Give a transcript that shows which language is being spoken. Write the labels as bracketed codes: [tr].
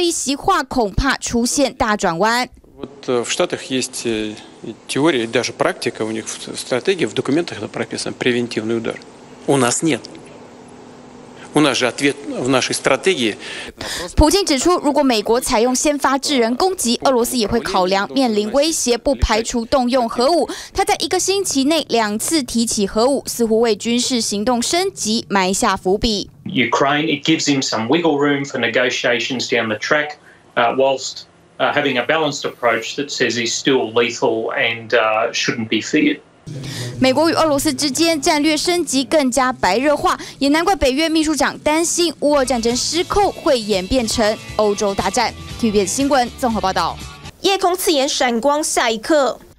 [zh] 美国强化乌克兰的防空能力，希望能防堵俄军用伊朗制无人机继续发动空袭。然而，俄罗斯总统普京本来说好不会在冲突中率先使用核武的军事准则，现在因为这一席话，恐怕出现大转弯。 [ru] Вот в Штатах есть теория, даже практика, у них в стратегии, в документах это прописано, превентивный удар. У нас нет. У нас же ответ в нашей стратегии. [zh] 普京指出，如果美国采用先发制人攻击，俄罗斯也会考量面临威胁，不排除动用核武。他在一个星期内两次提起核武，似乎为军事行动升级埋下伏笔。 [en] Ukraine, it gives him some wiggle room for negotiations down the track, whilst having a balanced approach that says he's still lethal and shouldn't be feared. [zh] 美国与俄罗斯之间战略升级更加白热化，也难怪北约秘书长担心乌俄战争失控会演变成欧洲大战。TVBS 新闻综合报道。夜空刺眼闪光，下一刻。